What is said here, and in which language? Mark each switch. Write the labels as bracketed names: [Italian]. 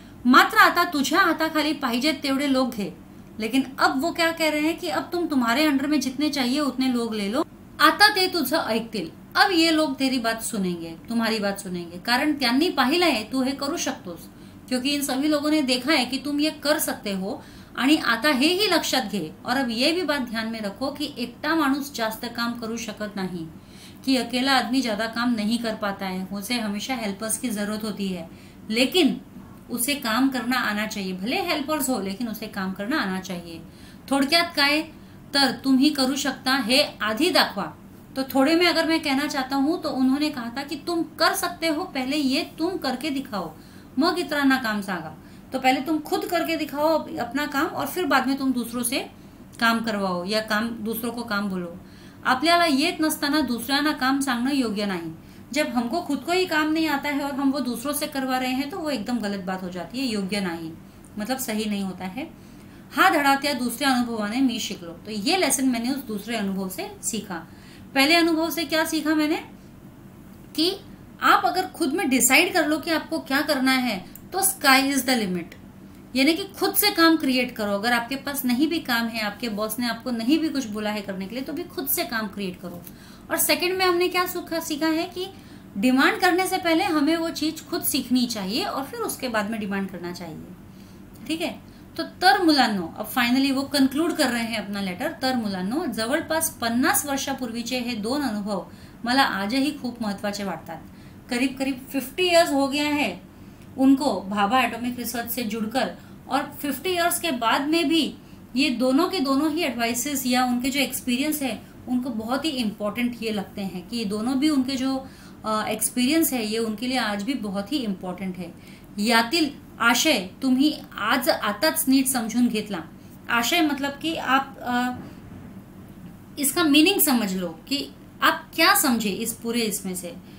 [Marathi] मात्र आता तुझ्या हाताखाली पाहिजे तेवढे लोग घे, [Hindi] लेकिन अब वो क्या कह रहे हैं कि अब तुम तुम्हारे अंडर में जितने चाहिए उतने लोग ले लो, [Marathi] आता ते तुझ ऐकतील, [Hindi] अब ये लोग तेरी बात सुनेंगे, तुम्हारी बात सुनेंगे, [Marathi] कारण त्यांनी पाहिलंय तू हे करू शकतोस, [Hindi] क्योंकि इन सभी लोगों ने देखा है कि तुम ये कर सकते हो, [Marathi] आणि आता हे ही लक्षात घे, [Hindi] और अब ये भी बात ध्यान में रखो कि [Marathi] एकटा माणूस जास्त काम करू शकत नाही, [Hindi] कि अकेला आदमी ज्यादा काम नहीं कर पाता है, उसे हमेशा हेल्पर्स की जरूरत होती है, लेकिन उसे काम करना आना चाहिए, भले हेल्पर्स हो लेकिन उसे काम करना आना चाहिए। [Marathi] थोडक्यात काय, तर तुम्ही करू शकता हे आधी दाखवा। [Hindi] तो थोड़े में अगर मैं कहना चाहता हूँ तो उन्होंने कहा था कि तुम कर सकते हो, पहले ये तुम करके दिखाओ, [Marathi] मग इतराना काम सांगा। [Hindi] तो पहले तुम खुद करके दिखाओ अपना काम और फिर बाद में तुम दूसरों से काम करवाओ या काम दूसरों को काम बोलो. [Marathi] आपल्याला येत नसताना दुसऱ्यांना काम सांगणं योग्य नाही. [Hindi] जब हमको खुद को ही काम नहीं आता है और हम वो दूसरों से करवा रहे हैं तो वो एकदम गलत बात हो जाती है. योग्य नहीं मतलब सही नहीं होता है. हाँ [Marathi] धड़ात्या दूसरे अनुभवाने मी शिकलो. [Hindi] तो ये लेसन मैंने उस दूसरे अनुभव से सीखा. पहले अनुभव से क्या सीखा मैंने कि आप अगर खुद में डिसाइड कर लो कि आपको क्या करना है तो स्काई इज द लिमिट. यानी कि खुद से काम क्रिएट करो. अगर आपके पास नहीं भी काम है, आपके बॉस ने आपको नहीं भी कुछ बोला है करने के लिए, तो भी खुद से काम क्रिएट करो. और सेकंड में हमने क्या सीखा है कि डिमांड करने से पहले हमें वो चीज खुद सीखनी चाहिए और फिर उसके बाद में डिमांड करना चाहिए. ठीक है. तो [Marathi] तर मुलानो, [Hindi] अब फाइनली वो कंक्लूड कर रहे हैं अपना लेटर. [Marathi] तर मुलानो, जवळपास 50 वर्षापूर्वीचे हे दोन अनुभव मला आजही खूप महत्त्वाचे वाटतात. [Hindi] करीब करीब 50 इयर्स हो गया है उनको भाभा एटॉमिक रिसर्च से जुड़कर, और 50 इयर्स के बाद में भी ये दोनों के दोनों ही एडवाइसेस या उनके जो एक्सपीरियंस है उनको बहुत ही इम्पोर्टेंट ये लगते हैं कि ये दोनों भी उनके जो एक्सपीरियंस है ये उनके लिए आज भी बहुत ही इम्पॉर्टेंट है. [Marathi] यातील आशय तुम्ही आज आताच नीट समजून घेतला. [Hindi] आशय मतलब कि आप इसका मीनिंग समझ लो कि आप क्या समझे इस पूरे इसमें से.